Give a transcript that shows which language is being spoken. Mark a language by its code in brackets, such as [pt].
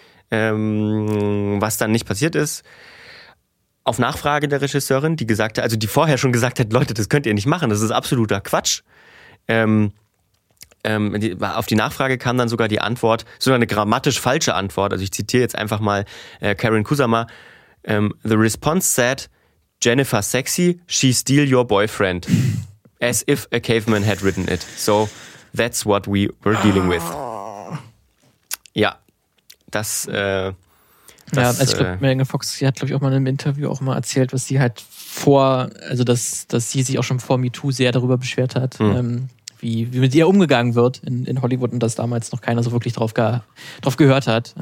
[de] Was dann nicht passiert ist. Auf Nachfrage der Regisseurin, die vorher schon gesagt hat, Leute, das könnt ihr nicht machen, das ist absoluter Quatsch. Auf die Nachfrage kam dann sogar die Antwort, sogar eine grammatisch falsche Antwort, also ich zitiere jetzt einfach mal Karen Kusama. [en] The response said, Jennifer sexy, she steal your boyfriend. As if a caveman had written it. So, that's what we were dealing with. [de] Ja, das... ich glaube, Megan Fox, sie hat, glaube ich, auch mal in einem Interview auch mal erzählt, was sie halt dass sie sich auch schon vor MeToo sehr darüber beschwert hat, wie mit ihr umgegangen wird in Hollywood und dass damals noch keiner so wirklich drauf gehört hat.